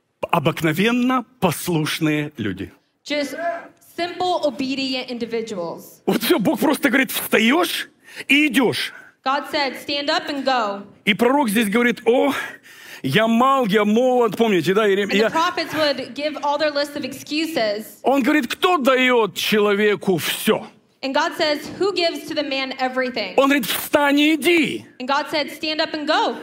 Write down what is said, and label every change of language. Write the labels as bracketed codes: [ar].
[ru] Обыкновенно послушные люди. [en] Just simple, obedient individuals. [ru] Вот все, Бог просто говорит, встаешь и идешь. [en] God said, stand up and go. [ru] И пророк здесь говорит, о, я мал, я молод, помните, да? [en] And the prophets would give all their list of excuses. [ru] Он говорит, кто дает человеку все? [en] And God says, who gives to the man everything? [ru] Он говорит, встань и иди. [en] And God said, stand up and go.